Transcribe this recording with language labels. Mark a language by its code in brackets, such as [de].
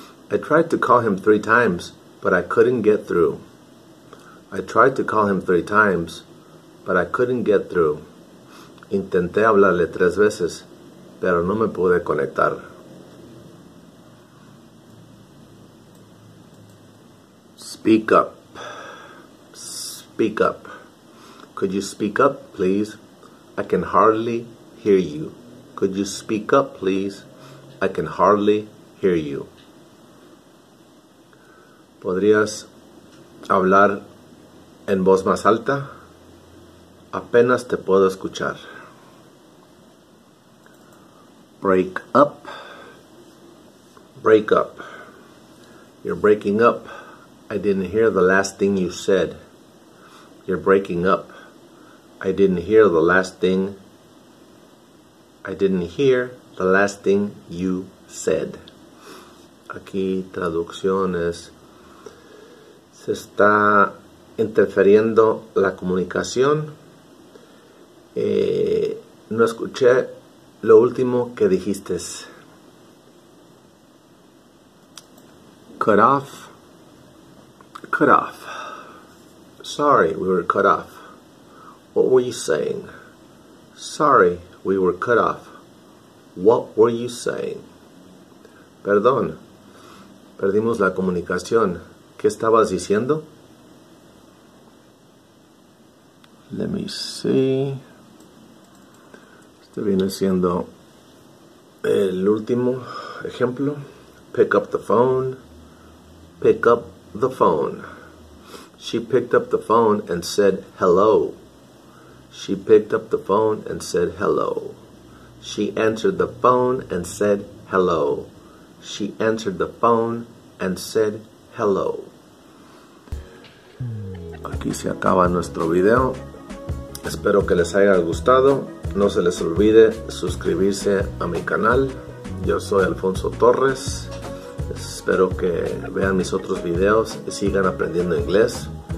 [en] I tried to call him 3 times, but I couldn't get through. I tried to call him 3 times, but I couldn't get through. [es] Intenté hablarle 3 veces, pero no me pude conectar. [en] Speak up. Speak up. Could you speak up, please? I can hardly hear you. Could you speak up, please? I can hardly hear you. [es] ¿Podrías hablar en voz más alta? Apenas te puedo escuchar. [en] Break up. Break up. You're breaking up. I didn't hear the last thing you said. You're breaking up. I didn't hear the last thing. I didn't hear the last thing you said. [es] Aquí traducción es, se está interfiriendo la comunicación. No escuché lo último que dijiste. [en] Cut off. Cut off. Sorry, we were cut off. What were you saying? Sorry, we were cut off. What were you saying? [es] Perdón, perdimos la comunicación. ¿Qué estabas diciendo? [en] Let me see. [es] Este viene siendo el último ejemplo. [en] Pick up the phone. Pick up the phone. She picked up the phone and said hello. She picked up the phone and said hello. She answered the phone and said hello. She answered the phone and said hello. [es] Aquí se acaba nuestro video. Espero que les haya gustado. No se les olvide suscribirse a mi canal. Yo soy Alfonso Torres. Espero que vean mis otros videos y sigan aprendiendo inglés.